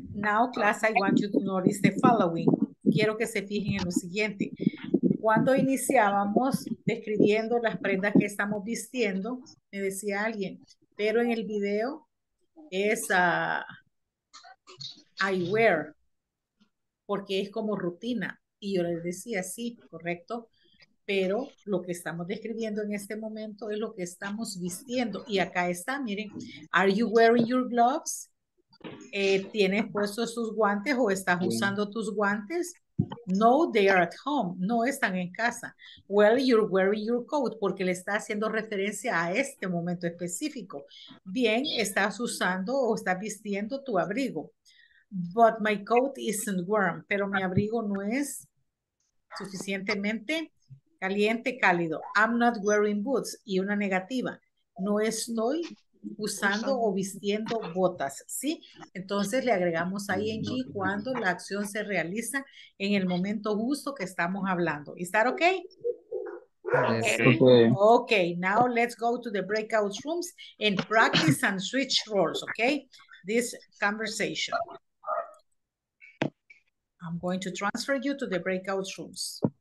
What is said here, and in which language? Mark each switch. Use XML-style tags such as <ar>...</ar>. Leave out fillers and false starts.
<en>Now, class, I want you to notice the following.</en> <es>Quiero que se fijen en lo siguiente. Cuando iniciábamos describiendo las prendas que estamos vistiendo, me decía alguien, pero en el video es</es> <en>I wear,</en> <es>porque es como rutina. Y yo les decía, sí, correcto, pero lo que estamos describiendo en este momento es lo que estamos vistiendo. Y acá está, miren,</es> <en>are you wearing your gloves?</en> <es>¿Tienes puestos tus guantes o estás usando tus guantes?</es> <en>No, they are at home.</en> <es>No están en casa.</es> <en>Well, you're wearing your coat,</en> <es>porque le está haciendo referencia a este momento específico. Bien, estás usando o estás vistiendo tu abrigo.</es> <en>But my coat isn't warm.</en> <es>Pero mi abrigo no es suficientemente caliente, cálido.</es> <en>I'm not wearing boots.</en> <es>Y una negativa. No estoy usando o vistiendo botas, ¿sí? Entonces le agregamos ing cuando la acción se realiza en el momento justo que estamos hablando.</es> <en>¿Is that okay? Okay, now let's go to the breakout rooms and practice and switch roles, okay? This conversation. I'm going to transfer you to the breakout rooms.</en>